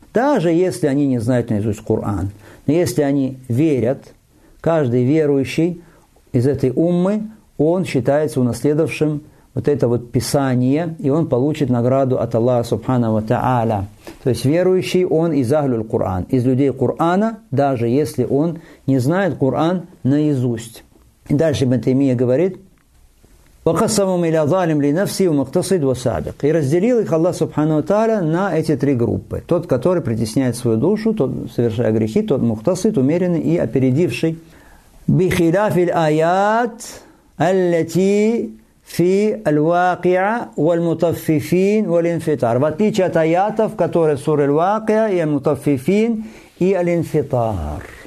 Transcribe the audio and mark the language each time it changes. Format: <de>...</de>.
<ru>Даже если они не знают наизусть Коран, но если они верят, каждый верующий из этой уммы, он считается унаследовавшим вот это вот писание, и он получит награду от Аллаха Субхана ва Тааля. То есть верующий он из Ахлюль Куран, из людей Курана, даже если он не знает Куран наизусть. И дальше Ибн Таймия говорит:</ru> <ar>وَقَسَّمُمْ إِلَى ظَالِمْ لِنَفْسِهِ وَمَقْتَصِدْ وَسَابِقْ.</ar> <ru>И разделил их Аллах Субхану Тааля на эти три группы. Тот, который притесняет свою душу, тот, совершая грехи, тот мухтасид, умеренный и опередивший.</ru> <ar>بِخِلَافِ الْآيَاتِ الَّتِي فِي الْوَاقِعَ وَالْمُطَفِّفِينَ وَالْإِنْفِطَارِ.</ar> <ru>В отличие от аятов, которые в суре Аль-Вакиа, и Аль-Мутаффифин, и Аль-Инфитар.</ru>